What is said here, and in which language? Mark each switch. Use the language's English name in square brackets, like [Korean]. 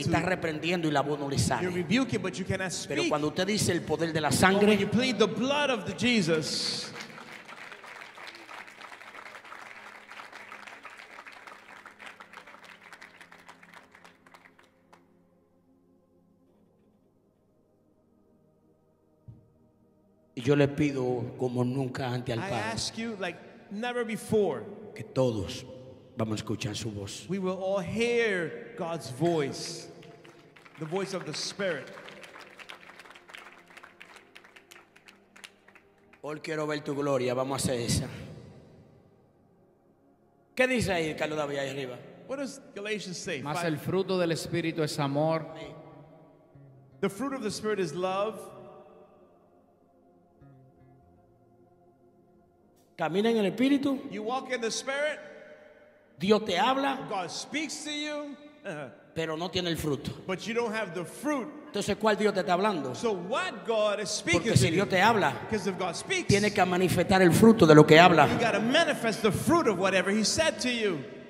[Spanish] Y está reprendiendo y la voz no le sale. [English] You're rebuking but you cannot speak. [Spanish] Pero cuando usted dice el poder de la sangre, [English] when you plead the blood of the Jesus, [Spanish] yo le pido como nunca antes al Padre, [English] I ask you like never before, [Spanish] que todos vamos a escuchar su voz. [English] We will all hear God's voice, the voice of the Spirit. [Spanish] Hoy quiero ver tu gloria, vamos a hacer esa. ¿Qué dice ahí, Carlos David, ahí arriba? [English] What does Galatians say? [Spanish] Mas el fruto del Espíritu es amor. [English] The fruit of the Spirit is love. [Spanish] Camina en el Espíritu. [English] You walk in the Spirit. [Spanish] Dios te habla. [English] God speaks to you. [Spanish] Pero no tiene el fruto. [English] But you don't have the fruit. [Spanish] Entonces, ¿cuál Dios te está hablando? [English] So what God is speaking [Spanish] porque si Dios te habla, [English] because if God speaks, [Spanish] tiene que manifestar el fruto de lo que habla. [English] You got to manifest the fruit of whatever he said to you.